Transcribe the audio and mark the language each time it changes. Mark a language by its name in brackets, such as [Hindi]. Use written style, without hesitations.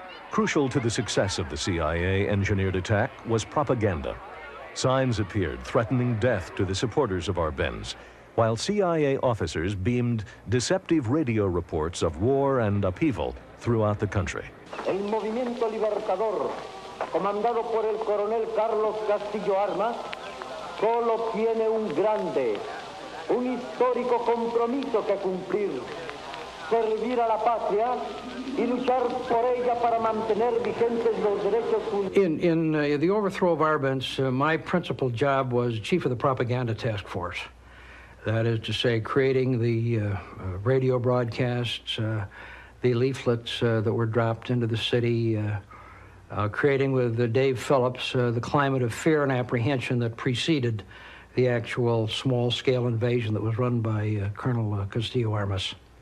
[English] Crucial to the success of the CIA-engineered attack was propaganda. Signs appeared threatening death to the supporters of Arbenz, while CIA officers beamed deceptive radio reports of war and upheaval throughout the country. [Spanish] El Movimiento Libertador, comandado por el coronel Carlos Castillo Armas, solo tiene un grande, un histórico compromiso que cumplir. Servir a la patria y luchar por ella para mantener vigentes los derechos. [English] In the overthrow of Arbenz, my principal job was chief of the propaganda task force. That is to say, creating the radio broadcasts, the leaflets that were dropped into the city, creating with Dave Phillips the climate of fear and apprehension that preceded the actual small-scale invasion that was run by Colonel Castillo Armas.